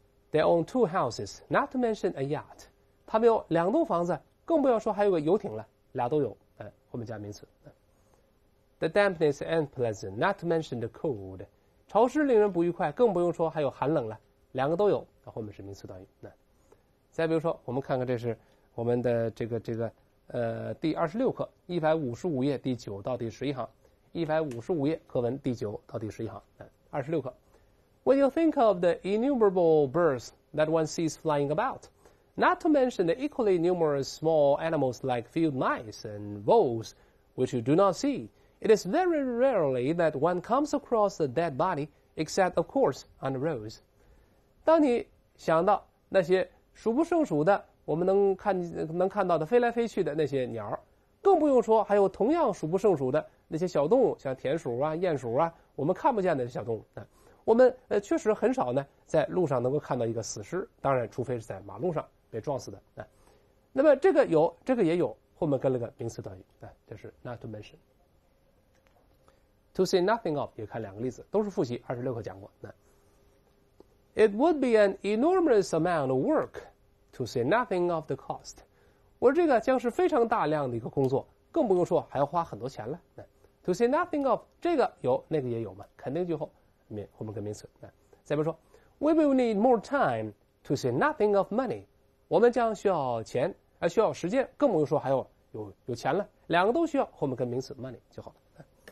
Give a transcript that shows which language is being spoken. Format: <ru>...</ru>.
<en>They own two houses, not to mention a yacht。</en> <zh>他们有两栋房子，更不要说还有个游艇了，俩都有。后面加名词。</zh> <en>The dampness and pleasant, not to mention the cold.</en> <zh>潮湿令人不愉快，更不用说还有寒冷了。两个都有，后面是名词短语。再比如说，我们看看这是我们的这个第26课155页第9到第11行。 155页课文第9到第11行。26课。</zh> <en>When you think of the innumerable birds that one sees flying about,Not to mention the equally numerous small animals like field mice and voles, which you do not see. It is very rarely that one comes across a dead body, except, of course, on the roads.</en> <zh>当你想到那些数不胜数的我们能看到的飞来飞去的那些鸟，更不用说还有同样数不胜数的那些小动物，像田鼠啊、鼹鼠啊，我们看不见的小动物。我们确实很少呢在路上能够看到一个死尸，当然除非是在马路上被撞死的。那么这个有，这个也有，后面跟了个名词短语，就是 not to mention。 To say nothing of 也看两个例子，都是复习26课讲过。</zh> <en>It would be an enormous amount of work to say nothing of the cost.</en> <zh>我这个将是非常大量的一个工作，更不用说还要花很多钱了。 To say nothing of 这个有，那个也有嘛，肯定句后后面跟名词。再比如说</zh> <en>We will need more time to say nothing of money.</en> <zh>我们将需要钱，需要时间，更不用说还 有钱了，两个都需要，后面跟名词 money 就好了。</zh>